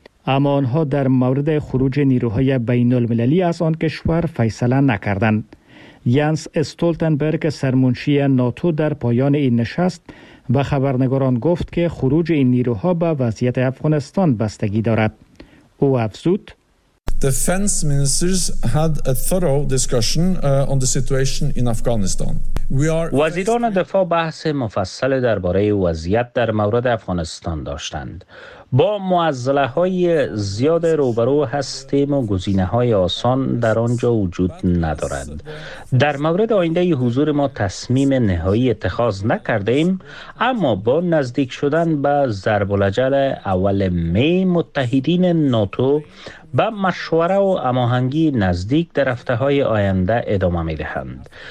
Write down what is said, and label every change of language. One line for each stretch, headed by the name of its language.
Persian: اما آنها در مورد خروج نیروهای بین المللی از آن کشور فیصله نکردند. ینس استولتنبرگ سرمنشی ناتو در پایان این نشست به خبرنگاران گفت که خروج این نیروها به وضعیت افغانستان بستگی دارد. او افزود
English: Defense ministers had a thorough discussion on the situation in Afghanistan.
Persian: وزیران دفاع بحث مفصل درباره وضعیت در مورد افغانستان داشتند. با معضله های زیاد روبرو هستیم و گزینه های آسان در آنجا وجود ندارد. در مورد آینده حضور ما تصمیم نهایی اتخاذ نکرده ایم، اما با نزدیک شدن به ضرب الاجل اول می متحدین ناتو با مشوره و هماهنگی نزدیک در هفته های آینده ادامه می دهند.